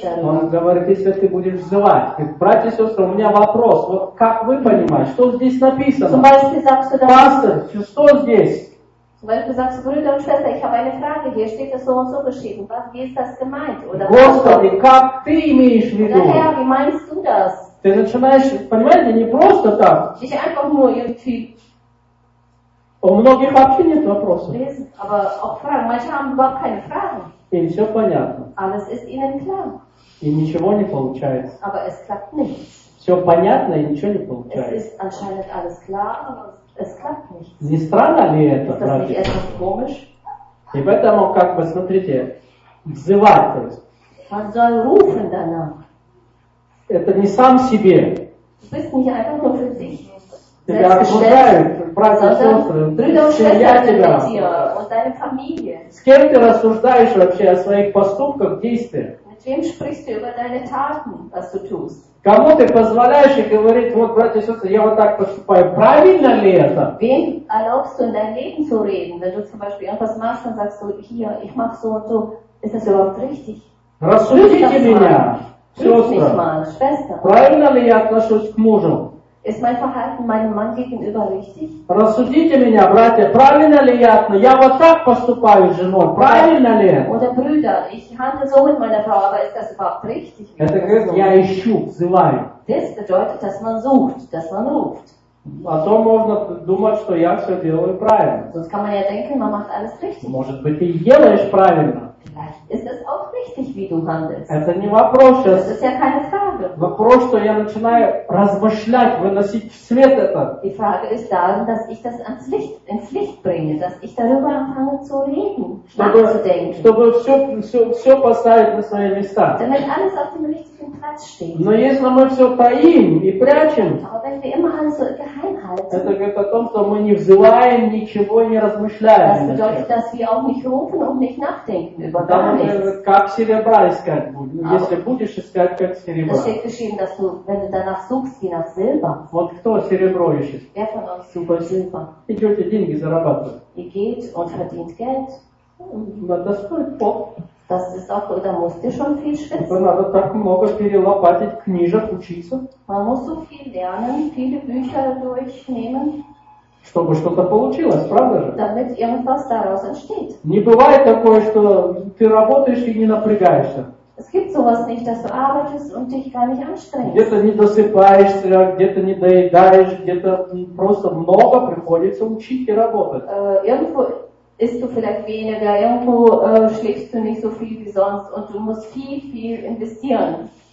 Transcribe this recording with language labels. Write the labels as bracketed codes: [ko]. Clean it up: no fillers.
[ru] Он говорит, если ты будешь взывать. Братья и сестры, у меня вопрос. Вот как вы понимаете, что здесь написано? Пастор, что здесь? [de] Zum Beispiel sagst du, Brüder und Schwester, ich habe eine Frage, hier steht es so und so geschrieben, was, wie ist das gemeint? Oder [ru] Господи, как ты имеешь в виду? [de] Oder Herr, wie meinst du das? [ru] Ты начинаешь, понимаете, не просто так. [de] Ich einfach nur irgendwie. [ru] У многих вообще нет вопросов. [de] Aber auch Fragen, manche haben überhaupt keine Fragen. [ru] Им все понятно. [de] Alles ist ihnen klar. [ru] И ничего не получается. [de] Aber es klappt nicht. [ru] Все понятно и ничего не получается. [de] Es ist anscheinend alles klar, aber es klappt nicht. [ru] Не странно ли это, правда? [de] Ist das nicht etwas komisch? [ru] И поэтому, как бы, смотрите, взывать. [de] Man soll rufen danach. [ru] Это не сам себе. [de] Du bist nicht einfach nur für dich. [ru] Тебя окружают, братья и сестры, семья тебя. С кем ты рассуждаешь вообще о своих поступках, действиях? Кому ты позволяешь и говорить, вот, братья и сестры, я вот так поступаю, правильно ли это? [de] Wem erlaubst du in deinem Leben zu reden? Wenn du zum Beispiel etwas machst und sagst, hier, ich mach so und so, ist das überhaupt richtig? [ru] Рассудите меня, сестры. Правильно ли я отношусь к мужу? [de] Ist mein Verhalten meinem Mann gegenüber richtig? [ru] Рассудите меня, братья, правильно ли я? Я вот так поступаю с женой, правильно ли? [de] Oder Brüder, ich handle so mit meiner Frau, aber ist das überhaupt richtig? [ru] Это говорит, я ищу, взываю. [de] Das bedeutet, dass man sucht, dass man ruft. [ru] А то можно думать, что я все делаю правильно. [de] Sonst kann man ja denken, man macht alles richtig. [ru] Может быть, ты делаешь правильно. [de] Ist es auch richtig, wie du handelst? [ru] Это не вопрос сейчас. [de] Das ist ja keine Frage. [ru] Вопрос, что я начинаю размышлять, выносить в свет это. [de] Die Frage ist darin, dass ich das ans Licht, ins Licht bringe, dass ich darüber anfange zu reden, [ru] чтобы, [de] nachzudenken. [ru] Чтобы все поставить на свои места. [de] Damit alles auf dem richtigen Platz steht. [ru] Но если мы все таим и прячем, [de] aber wenn wir immer alles so geheim halten, [ru] это говорит о том, что мы не взываем, ничего не размышляем. [de] Das bedeutet, dass wir auch nicht rufen und nicht nachdenken. [ru] Да, как серебра искать будешь, если будешь искать как серебро. [de] Das steht geschrieben, dass du, wenn du danach suchst, wie nach Silber. [ru] Вот кто серебро ищет? [de] Wer von euch sucht Silber? [ru] Идете деньги зарабатывать. [de] Ihr geht und verdient Geld. Das ist Bock. Das ist auch, da musst du schon viel schwitzen. [ru] Да, надо так много перелопатить книжек, учиться. [de] Man muss so viel lernen, viele Bücher durchnehmen. [ru] Чтобы что-то получилось, правда же? [de] Damit irgendwas daraus entsteht. [ru] Не бывает такое, что ты работаешь и не напрягаешься. [de] Es gibt sowas nicht, dass du arbeitest und dich gar nicht anstrengst. [ru] Где-то не досыпаешься, где-то не доедаешь, где-то просто много приходится учить и работать. [de] Irgendwo isst du vielleicht weniger, irgendwo schläfst du nicht so viel wie sonst und du musst viel investieren.